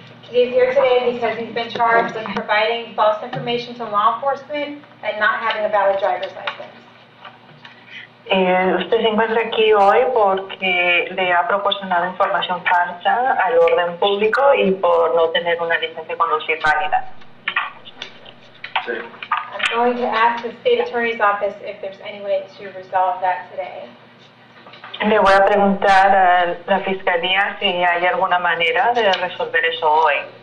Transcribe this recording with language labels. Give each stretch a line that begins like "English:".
English: He is here today and he says he's been charged with providing false information to law enforcement and not having a valid driver's license.
Spanish: Usted se encuentra aquí hoy porque le ha proporcionado información falsa al orden público y por no tener una licencia de conducir válida.
English: I'm going to ask the state attorney's office if there's any way to resolve that today.
Spanish: Le voy a preguntar a la fiscalía si hay alguna manera de resolver eso hoy.